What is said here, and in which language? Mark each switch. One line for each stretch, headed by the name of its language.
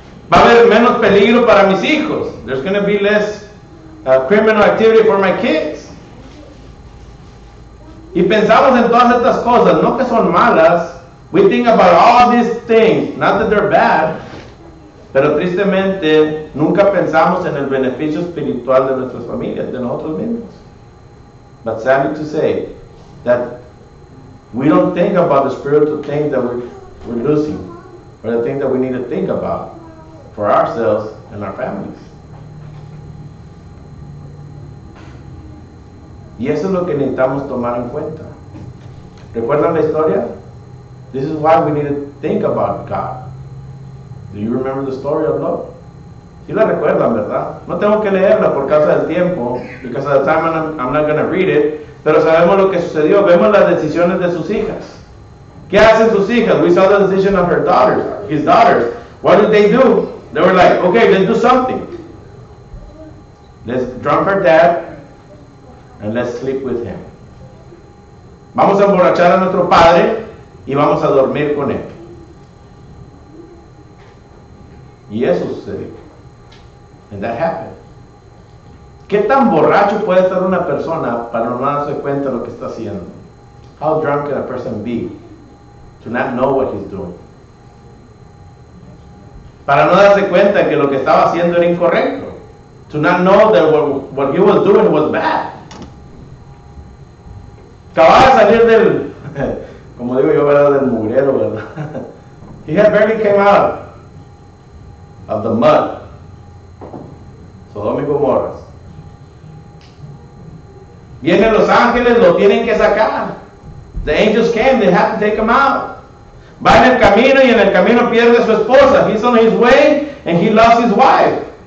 Spanish: Va a haber menos peligro para mis hijos.
English: There's going to be less criminal activity for my kids.
Spanish: Y pensamos en todas estas cosas, no que son malas.
English: We think about all these things, not that they're bad.
Spanish: Pero tristemente, nunca pensamos en el beneficio espiritual de nuestras familias, de nosotros mismos.
English: But sadly to say that we don't think about the spiritual things that we're losing, or the things that we need to think about for ourselves and our families.
Spanish: Y eso es lo que necesitamos tomar en cuenta. ¿Recuerdan la historia?
English: This is why we need to think about God. Do you remember the story of Lot?
Spanish: Sí la recuerdan, ¿verdad? No tengo que leerla por causa del tiempo,
English: because of the time I'm not going to read it,
Spanish: pero sabemos lo que sucedió. Vemos las decisiones de sus hijas. ¿Qué hacen sus hijas?
English: We saw the decision of her daughters, his daughters. What did they do? They were like, okay, let's do something. Let's drunk her dad and let's sleep with him.
Spanish: Vamos a emborrachar a nuestro padre y vamos a dormir con él. Y eso sucedió.
English: And that happened.
Spanish: ¿Qué tan borracho puede estar una persona para no darse cuenta de lo que está haciendo?
English: How drunk can a person be to not know what he's doing?
Spanish: Para no darse cuenta que lo que estaba haciendo era incorrecto.
English: To not know that what he was doing was bad.
Spanish: Acababa de salir del, como digo yo, ¿verdad? Del mugrero, ¿verdad?
English: He had barely came out of the mud. Sodoma y Gomorra.
Spanish: Vienen los ángeles, lo tienen que sacar.
English: The angels came, they have to take him out.
Spanish: Va en el camino y en el camino pierde a su esposa.
English: He's on his way and he loves his wife.